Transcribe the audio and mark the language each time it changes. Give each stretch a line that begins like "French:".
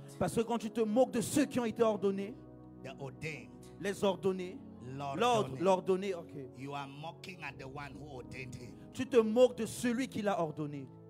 French: parce que quand tu te moques de ceux qui ont été ordonnés,
English: the ordained,
French: les ordonnés, l'ordonné,
English: okay. You are mocking at the one who ordained him.
French: Tu te moques de celui qui l'a ordonné.